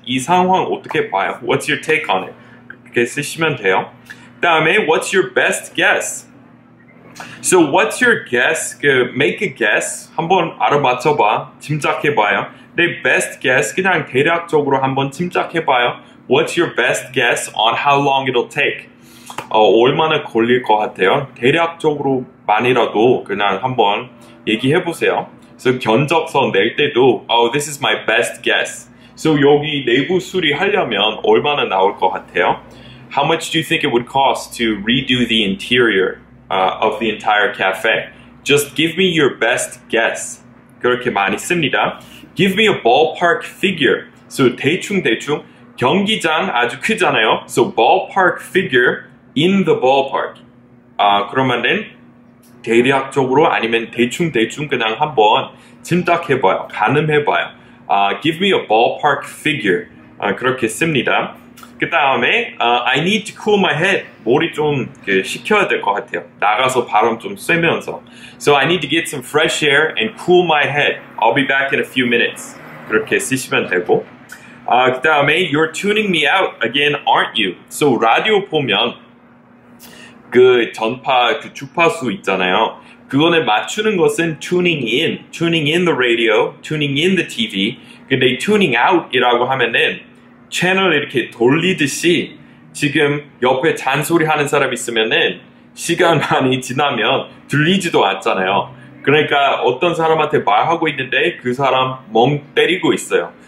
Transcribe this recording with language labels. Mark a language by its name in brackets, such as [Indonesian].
[Korean] 이 상황 어떻게 봐요? [English] What's your take on it? [Korean] 그렇게 쓰시면 돼요. [English] 다음에 What's your best guess? So what's your guess? Make a guess. [Korean] 한번 알아맞혀봐. 짐작해봐요. 내 best guess. 그냥 대략적으로 한번 짐작해봐요. [English] What's your best guess on how long it'll take? [Korean] 얼마나 걸릴 것 같아요? 대략적으로만이라도 그냥 한번 얘기해보세요. So 견적서 낼 때도 [English] Oh, this is my best guess. [Korean] So 여기 내부 수리하려면 얼마나 나올 것 같아요? [English] how much do you think it would cost to redo the interior of the entire cafe? Just give me your best guess. [Korean] 그렇게 많이 씁니다. [English] Give me a ballpark figure. [Korean] So 대충 경기장 아주 크잖아요. [English] So ballpark figure in the ballpark. [Korean] 그러면은 대략적으로 아니면 대충 그냥 한번 짐작해봐요. [English] 가늠해봐요. Give me a ballpark figure. [Korean] 그렇게 씁니다. [English] 그 다음에 I need to cool my head. [Korean] 머리 좀 식혀야 될 것 같아요. 나가서 바람 좀 쐬면서. [English] So I need to get some fresh air and cool my head. I'll be back in a few minutes. [Korean] 그렇게 쓰시면 되고. [English] 그 다음에 You're tuning me out again, aren't you? [Korean] So 라디오 보면 그 전파, 그 주파수 있잖아요. 그거를 맞추는 것은 tuning in. [English] Tuning in the radio, tuning in the TV. [Korean] 근데 tuning out이라고 하면은 채널 이렇게 돌리듯이 지금 옆에 잔소리 하는 사람 있으면은 시간 많이 지나면 들리지도 않잖아요. 그러니까 어떤 사람한테 말하고 있는데 그 사람 멍 때리고 있어요.